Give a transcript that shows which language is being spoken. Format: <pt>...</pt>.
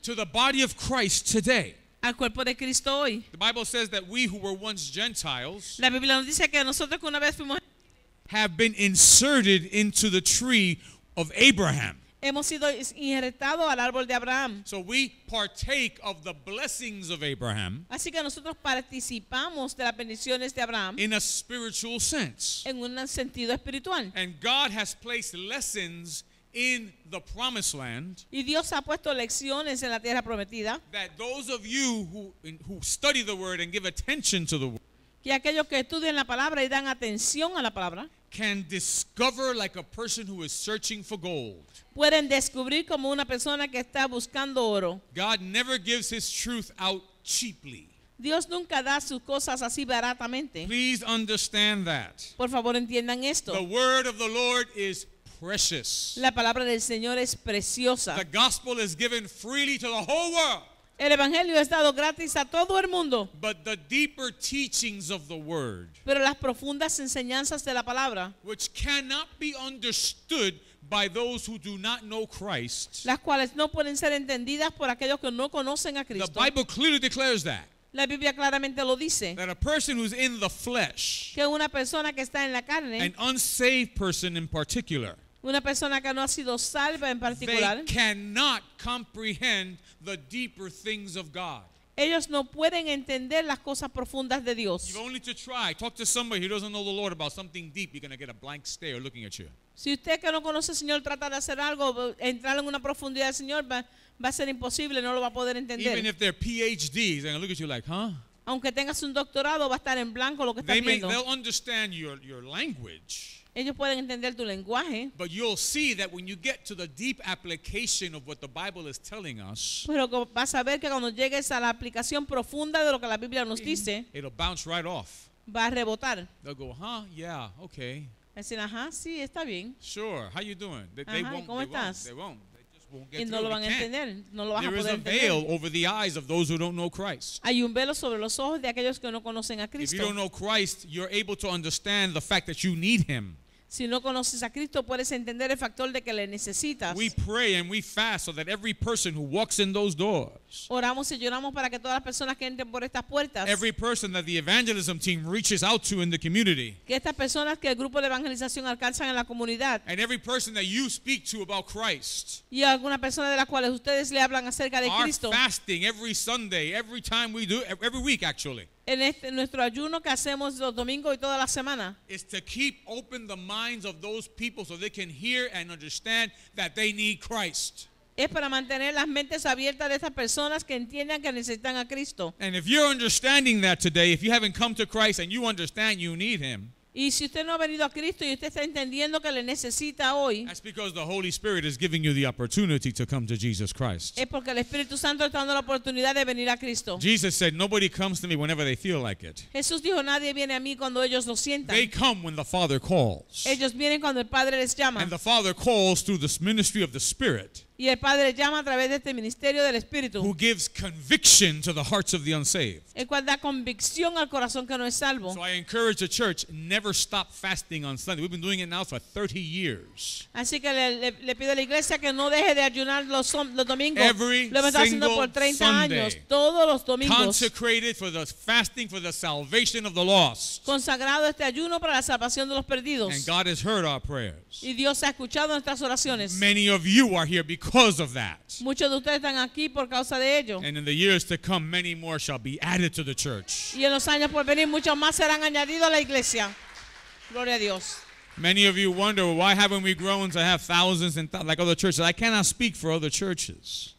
<en>To the body of Christ today.</en> <es>Al cuerpo de Cristo hoy.</es> <en>The Bible says that we who were once Gentiles.</en> <es>La Biblia nos dice que nosotros que una vez fuimos.</es> <en>Have been inserted into the tree of Abraham.</en> <es>Hemos sido injertados al árbol de Abraham.</es> <en>So we partake of the blessings of Abraham.</en> <es>Así que nosotros participamos de las bendiciones de Abraham.</es> <en>In a spiritual sense.</en> <es>En un sentido espiritual.</es> <en>And God has placed lessons in the promised land.</en> <es>Y Dios ha puesto lecciones en la tierra prometida.</es> <en>That those of you who study the word and give attention to the word.</en> <es>Que aquellos que estudian la palabra y dan atención a la palabra.</es> <en>can discover like a person who is searching for gold.</en> <es>Pueden descubrir como una persona que está buscando oro.</es> <en>God never gives his truth out cheaply.</en> <es>Dios nunca da sus cosas así baratamente.</es> <en>Please understand that.</en> <es>Por favor, entiendan esto.</es> <en>The word of the Lord is precious.</en> <es>La palabra del Señor es preciosa.</es> <en>The gospel is given freely to the whole world.</en> <es>El evangelio es dado gratis a todo el mundo.</es> <en>But the deeper teachings of the word,</en> <es>pero las profundas enseñanzas de la palabra,</es> <en>which cannot be understood by those who do not know Christ,</en> <es>las cuales no pueden ser entendidas por aquellos que no conocen a Cristo.</es> <en>The Bible clearly declares that.</en> <es>La Biblia claramente lo dice.</es> <en>That a person who's in the flesh,</en> <es>que una persona que está en la carne,</es> <en>an unsaved person in particular,</en> <es>una persona que no ha sido salva en particular,</es> <en>they cannot comprehend the deeper things of God.</en> <es>Ellos no pueden entender las cosas profundas de Dios.</es> <en>You only to try. Talk to somebody who doesn't know the Lord about something deep. You're going to get a blank stare looking at you.</en> <es>Si usted que no conoce al Señor trata de hacer algo, entrar en una profundidad del Señor, va a ser imposible. No lo va a poder entender.</es> <en>Even if they're PhDs, they're going to look at you like, huh?</en> <es>Aunque tengas un doctorado, va a estar en blanco lo que está viendo.</es> <en>They'll understand your language.</en> <es>Ellos pueden entender tu lenguaje.</es> <en>But you'll see that when you get to the deep application of what the Bible is telling us,</en> <es>pero vas a ver que cuando llegues a la aplicación profunda de lo que la Biblia nos dice,</es> <en>it'll bounce right off.</en> <es>Va a rebotar.</es> <en>They'll go, huh, yeah, okay.</en> <es>Decir, ajá, sí, está bien.</es> <en>Sure, how you doing? They</en> <es>ajá,</es> <en>won't,</en> <es>¿cómo</es> <en>they</en> <es>estás?</es> <en>Won't, they won't.</en> <es>Y no lo van a entender, no lo vas</es> <en>there</en> <es>a poder</es> <en>is a</en> <es>entender.</es> <en>Veil over the eyes of those who don't know Christ.</en> <es>Hay un velo sobre los ojos de aquellos que no conocen a Cristo.</es> <en>If you don't know Christ, you're able to understand the fact that you need him.</en> <es>Si no conoces a Cristo, puedes entender el factor de que le necesitas.</es> <en>We pray and we fast so that every person who walks in those doors,</en> <es>oramos y lloramos para que todas las personas que entren por estas puertas,</es> <en>every person that the evangelism team reaches out to in the community,</en> <es>que estas personas que el grupo de evangelización alcanzan en la comunidad,</es> <en>and every person that you speak to about Christ,</en> <es>y alguna persona de las cuales ustedes le hablan acerca de Cristo,</es> <en>are fasting every Sunday, every time we do, every week actually,</en> <es>en este, nuestro ayuno que hacemos los domingos y toda la semana,</es> <en>is to keep open the minds of those people so they can hear and understand that they need Christ.</en> <es>Es para mantener las mentes abiertas de esas personas que entiendan que necesitan a Cristo.</es> <en>And if you're understanding that today, if you haven't come to Christ and you understand you need him,</en> <es>y si usted no ha venido a Cristo y usted está entendiendo que le necesita hoy,</es> <en>that's because the Holy Spirit is giving you the opportunity to come to Jesus Christ.</en> <es>Es porque el Espíritu Santo está dando la oportunidad de venir a Cristo.</es> <en>Jesus said, nobody comes to me whenever they feel like it.</en> <es>Jesús dijo, nadie viene a mí cuando ellos lo sientan.</es> <en>They come when the Father calls.</en> <es>Ellos vienen cuando el Padre les llama.</es> <en>And the Father calls through the ministry of the Spirit.</en> <es>Y el Padre llama a través de este ministerio del Espíritu.</es> <en>Who gives conviction to the hearts of the unsaved.</en> <es>El cual da convicción al corazón que no es salvo.</es> <en>So I encourage the church, never stop fasting on Sunday. We've been doing it now for 30 years.</en> <es>Así que le pido a la iglesia que no deje de ayunar los domingos.</es> <en>Every</en> <es>lo hemos estado haciendo por 30</es> <en>Sunday,</en> <es>años, todos los domingos.</es> <en>Consecrated for the fasting for the salvation of the lost.</en> <es>Consagrado este ayuno para la salvación de los perdidos.</es> <en>And God has heard our prayers.</en> <es>Y Dios ha escuchado nuestras oraciones.</es> <en>Many of you are here because of that.</en> <es>Muchos de ustedes están aquí por causa de ello.</es> <en>And in the years to come, many more shall be added to the church.</en> <es>Y en los años por venir, muchos más serán añadidos a la iglesia. Gloria a Dios.</es> <en>Many of you wonder, why haven't we grown to have thousands and like other churches? I cannot speak for other churches.</en>